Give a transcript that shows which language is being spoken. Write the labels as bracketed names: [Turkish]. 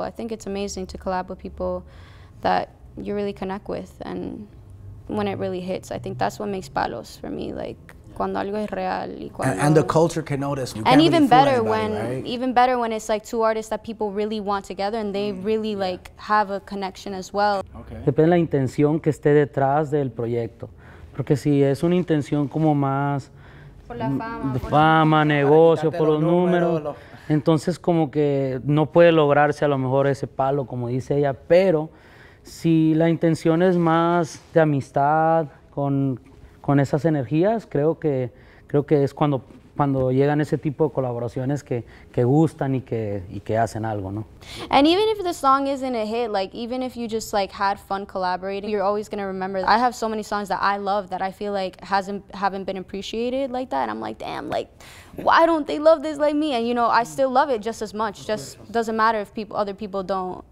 [English] I think it's amazing to collab with people that you really connect with, and when it really hits, I think that's what makes Palos for me. [Spanish] Like, cuando algo es real. [English] And the culture can notice. Even better when it's like two artists that people really want together, and they really like have a connection as well. Okay. [Spanish] Depende de la intención que esté detrás del proyecto. Porque si es una intención como más. Por la fama, negocio, por los números. Entonces como que no puede lograrse a lo mejor ese palo, como dice ella. Pero si la intención es más de amistad con esas energías, creo que es cuando llegan ese tipo de colaboraciones que gustan y que hacen algo, ¿no? [English] And even if the song isn't a hit, like even if you just like had fun collaborating, you're always gonna remember. I have so many songs that I love that I feel like haven't been appreciated like that. And I'm like, damn, like why don't they love this like me? And you know, I still love it just as much. Just doesn't matter if other people don't.